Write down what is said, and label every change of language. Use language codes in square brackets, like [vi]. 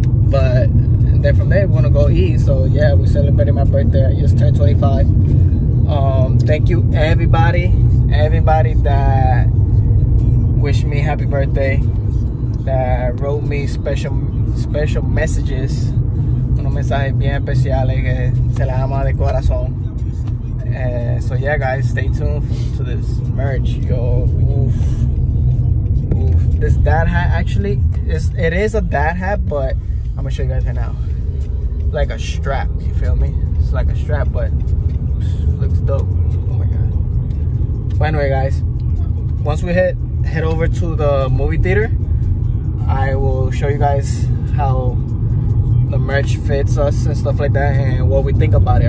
[en] But then from there, we're going to go eat. So, yeah, we're celebrating my birthday. I just turned 25. Thank you, everybody. Everybody that wished me happy birthday, that wrote me special messages. [es] Unos mensajes bien especiales que se las ama de corazón. [en] So yeah, guys, stay tuned to this merch. Yo, oof. This dad hat, actually, it is a dad hat, but I'm gonna show you guys right now. Like a strap, you feel me? It's like a strap, but looks dope. Oh my god. But anyway, guys, once we head over to the movie theater, I will show you guys how the merch fits us and stuff like that, and what we think about it.